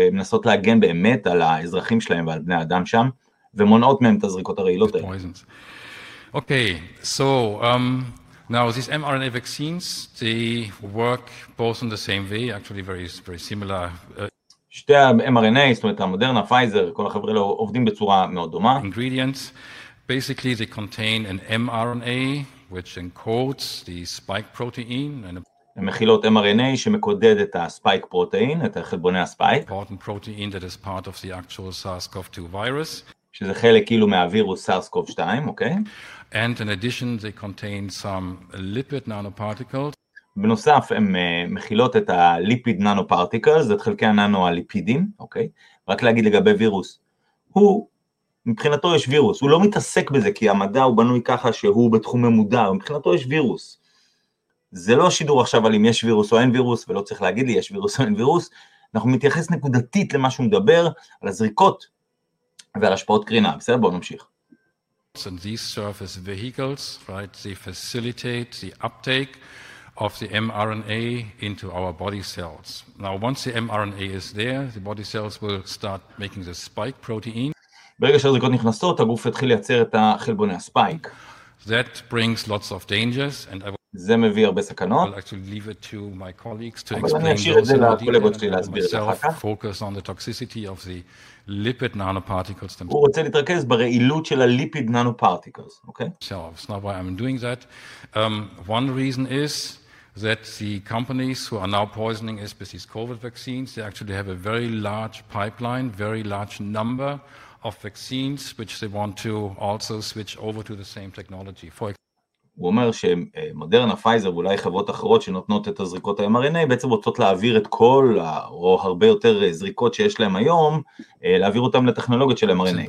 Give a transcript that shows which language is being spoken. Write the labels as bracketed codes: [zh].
[he] מנסות להגן באמת על האזרחים שלהם ועל בני האדם שם, ומונעות מהם את הזריקות הרעילות האלה. [en] Okay, so now these mRNA vaccines, they work both in the same way, actually very, very similar. [he] שתי ה-mRNA, זאת אומרת, המודרנה, פייזר, כל החבר'ה לא עובדים בצורה מאוד דומה. [en] Ingredients, basically they contain an mRNA, which encodes the spike protein and [he] מכילות mRNA שמקודד את הספייק פרוטאין, את החלבוני הספייק. [en] Important protein that is part of the actual SARS-CoV-2 virus. [he] שזה חלק כאילו מהווירוס SARS-CoV-2, אוקיי? [en] And in addition, they contain some lipid nanoparticles. [he] בנוסף, הם מכילות את ה-lipid nanoparticles, את חלקי הנאנו-ליפידים, אוקיי? רק להגיד לגבי וירוס, הוא, מבחינתו יש וירוס, הוא לא מתעסק בזה, כי המדע הוא בנוי ככה שהוא בתחום ממודע, מבחינתו יש וירוס. זה לא שידור עכשיו על אם יש וירוס או אין וירוס, ולא צריך להגיד לי יש וירוס או אין וירוס, אנחנו מתייחס נקודתית למה שהוא מדבר, על הזריקות ועל השפעות קרינה, בסדר? בואו נמשיך. [en] robots and these surface vehicles, right, they facilitate the uptake of the mRNA into our body cells. Now, once the mRNA is there, the body cells will start making the spike protein. [he] ברגע שהזריקות נכנסות, הגוף התחיל לייצר את החלבוני הספייק. [en] That brings lots of dangers and I [he] זה מביא הרבה סכנות. [en] I'll actually leave it to my colleagues to explain. [he] אני אשאיר את זה לקולגות שלי להסביר את זה אחר כך. [en] Focus on the toxicity of the lipid nanoparticles. [he] הוא רוצה להתרכז ברעילות של הליפיד ננופרטיקלס, אוקיי? [en] So, it's not why I'm doing that. One reason is that the companies who are now poisoning SPC's COVID vaccines, they actually have a very large pipeline, very large number of vaccines which they want to also switch over to the same technology. For [he] הוא אומר שמודרנה, פייזר ואולי חברות אחרות שנותנות את הזריקות ה-mRNA בעצם רוצות להעביר את כל או הרבה יותר זריקות שיש להם היום להעביר אותם לטכנולוגיות של mRNA.